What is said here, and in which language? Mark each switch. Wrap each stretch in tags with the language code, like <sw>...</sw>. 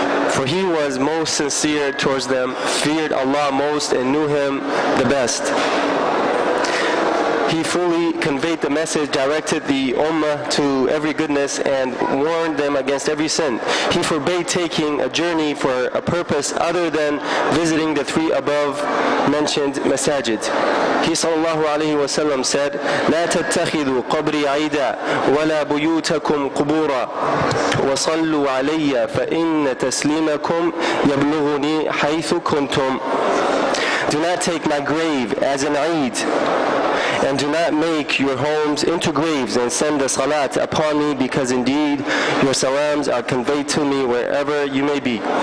<en>For he was most sincere towards them, feared Allah most, and knew him the best. He fully conveyed the message, directed the ummah to every goodness, and warned them against every sin. He forbade taking a journey for a purpose other than visiting the three above mentioned masajid. He sallallahu alayhi wa sallam said,</en> <ar>لَا تَتَّخِذُوا قَبْرِي عَيْدًا وَلَا بُيُوتَكُمْ قُبُورًا وَصَلُّوا عَلَيَّ فَإِنَّ تَسْلِيمَكُمْ يَبْلُغُنِي حَيْثُ كُنْتُمْ.</ar> <en>Do not take my grave as an Eid, and do not make your homes into graves and send the salat upon me, because indeed your salams are conveyed to me wherever you may be.</en>